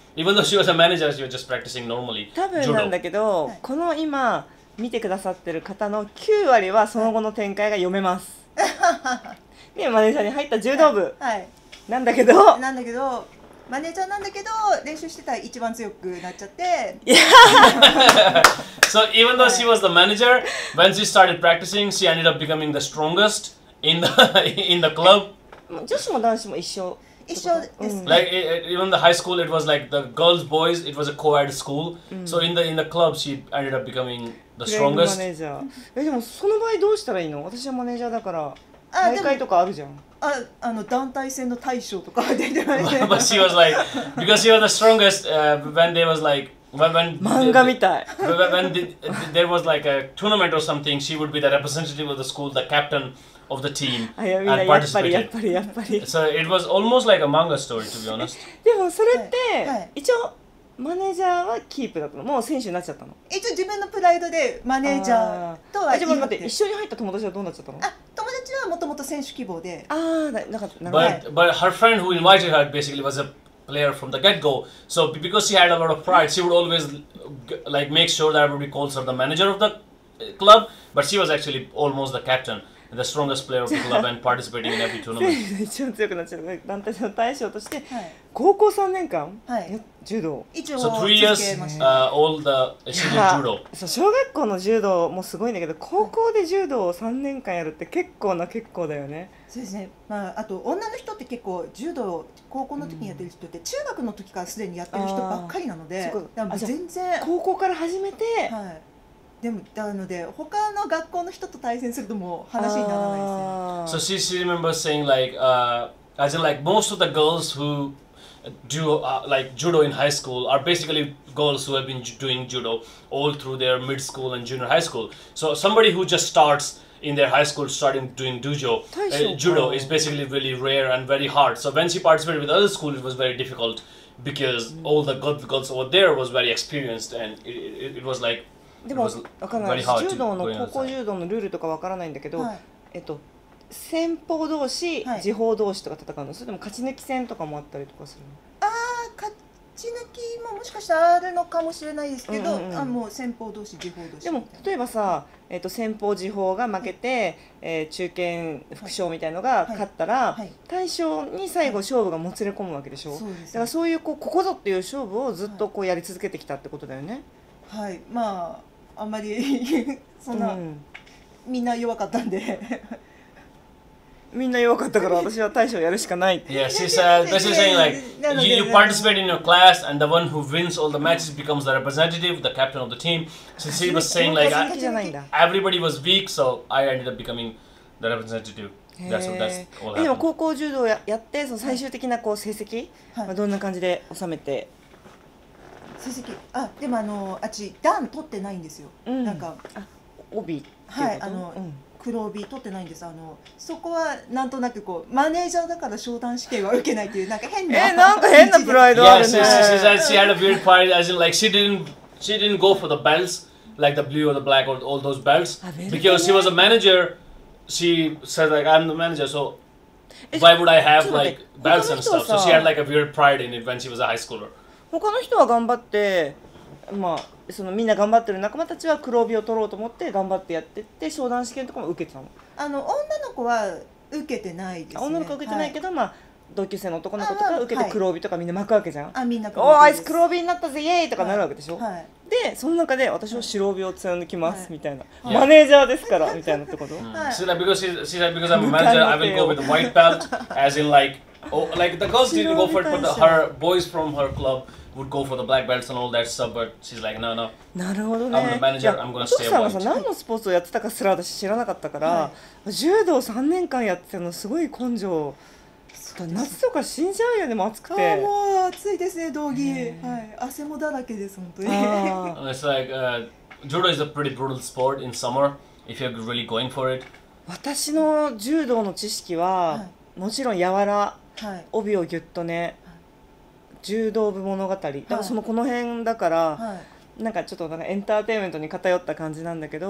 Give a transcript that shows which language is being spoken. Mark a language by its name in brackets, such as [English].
[English] Even though she was a manager, she was just practicing normally. [Japanese] 多分なんだけど、この今見てくださってる方の9割はその後の展開が読めます。で、マネージャーに入った柔道部。はい。なんだけど。なんだけど。マネージャーなんだけど練習してたら一番強くなっちゃって。 [English] So even though she was the manager, when she started practicing, she ended up becoming the strongest in the club. [Japanese] 女子も男子も一緒。一緒です、ね。 [English] Like even the high school, it was like the girls boys. It was a co-ed school. So in the club, she ended up becoming the strongest. [Japanese] マネージャー。でもその場合どうしたらいいの？私はマネージャーだから。大会とかあるじゃん。あの団体戦の大将とか出てないね。 [English] But she was like, because she was the strongest, when there was like, when [Japanese] 漫画みたい。 [English] When there was like a tournament or something, she would be the representative of the school, the captain of the team, and participate. [Japanese] やっぱりやっぱりやっぱり。 [English] So it was almost like a manga story, to be honest. [Japanese] でもそれって、一応マネージャーはキープだったの。もう選手になっちゃったの。一応自分のプライドでマネージャーとは言って。一緒に入った友達はどうなっちゃったの？もともと選手希望で。 [English] But her friend who invited her basically was a player from the get-go. So because she had a lot of pride, she would always like make sure that everybody calls her the manager of the club. But she was actually almost the captain, the strongest player of the club and participating in every tournament. [Japanese] 一番強くなっちゃう。団体戦の大将として高校3年間、はい、柔道。 [English] So 3 years all the senior judo. [Japanese] そう、小学校の柔道もすごいんだけど、高校で柔道を3年間やるって結構な結構だよね。そうですね。まあ、あと女の人って結構柔道を高校の時にやってる人って中学の時からすでにやってる人ばっかりなので、全然高校から始めて、はい、でもなので他の学校の人と対戦するともう話にならないですね。 [English] So she remembers saying like, as in like most of the girls who do like judo in high school are basically girls who have been doing judo all through their mid school and junior high school. So somebody who just starts in their high school starting doing dojo judo is basically really rare and very hard. So when she participated with other school, it was very difficult because all the girls over there was very experienced and it was like. [Japanese] でも分からない。柔道の高校柔道のルールとか分からないんだけど、はい、先方同士、次方同士とか戦うの。それでも勝ち抜き戦とかもあったりとかするの？ああ、勝ち抜きももしかしたらあるのかもしれないですけど、あ、もう先方同士、次方同士。でも例えばさ、先方次方が負けて、はい、中堅副将みたいなのが勝ったら、はいはい、大将に最後勝負がもつれ込むわけでしょ。だからそういうここぞっていう勝負をずっとこうやり続けてきたってことだよね。はい、まあ。あんまりそんな、みんな弱かったんでみんな弱かったから私は大将やるしかない [English] Yeah, she's basically saying like you participate in your class and the one who wins all the matches becomes the representative, the captain of the team. So she was saying like everybody was weak, so I ended up becoming the representative. That's all happened. [Japanese] 高校柔道やってその最終的なこう成績、はい、どんな感じで収めて成績、あ、でもあっち段取ってないんですよ、うん、なんか帯はい、黒帯取ってないんです。そこはなんとなくこうマネージャーだから商談試験は受けないっていうなんか変な、なんか変なプライドあるね。 [English] Yeah, she had a weird pride as in like she didn't go for the belts like the blue or the black or all those belts because she was a manager. She said like I'm the manager, soWhy would I have like belts and stuff? So she had like a weird pride in it when she was a high schooler. [Japanese] 他の人は頑張ってまあ、そのみんな頑張ってる仲間たちは黒帯を取ろうと思って頑張ってやってって、商談試験とかも受けてたの。あの女の子は受けてないですね。女の子は受けてないけど、はい、まあ同級生の男の子とか受けて黒帯とかみんな巻くわけじゃん。あ、みんな黒帯です。おー、あいつ黒帯になったぜ、イエーイとかなるわけでしょ、はい、で、その中で私は白帯を貫きます、はい、みたいな、はい、マネージャーですからみたいなってこと。 [English] She's like, because she's like, because I'm a manager, I will go with the white belt. As in like, oh, like the girls didn't go for the, her boys from her club would go for the black belts and all that stuff, but she's like, no, no. [Japanese] なるほどね。 [English] I'm the manager, I'm gonna stay white. [Japanese] お父さんがさ、何のスポーツをやってたかすら私知らなかったから、はい、柔道3年間やってたのすごい根性。夏とか死んじゃうよね、もう暑くて。あ、もう暑いですね、道着、はい、汗もだらけです、本当に。 [English] It's like, judo is a pretty brutal sport in summer, if you're really going for it. [Japanese] 私の柔道の知識は、はい、もちろん柔ら、はい、帯をギュッとね、はい、柔道部物語、はい、だからそのこの辺だから、はい、なんかちょっとなんかエンターテインメントに偏った感じなんだけど、